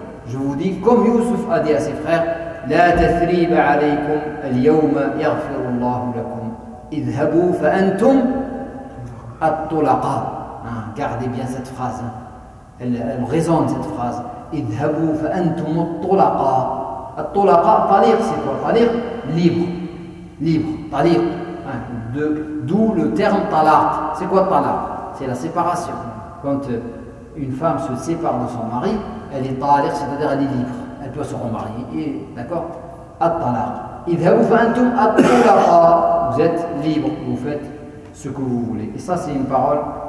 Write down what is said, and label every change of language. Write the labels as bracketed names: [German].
[French] Je vous dis comme Yusuf a dit à ses frères: [Arabic] لا تثريب عليكم اليوم يغفر الله لكم اذهبوا فانتم الطلقاء. [French] Gardez bien cette phrase, elle résonne cette phrase: [Arabic] اذهبوا فانتم الطلقاء. الطلقاء طليق, [French] c'est quoi [Arabic] طليق? [French] Libre, طليق. D'où le terme طلاق. C'est quoi طلاق? C'est la séparation. Quand une femme se sépare de son mari, elle est طلاق, c'est-à-dire elle est libre. Elle doit se remarier, et, d'accord? At-talaq. [Arabic] Idhabu fa'antum at-talaqa. [French] Vous êtes libre, vous faites ce que vous voulez. Et ça, c'est une parole.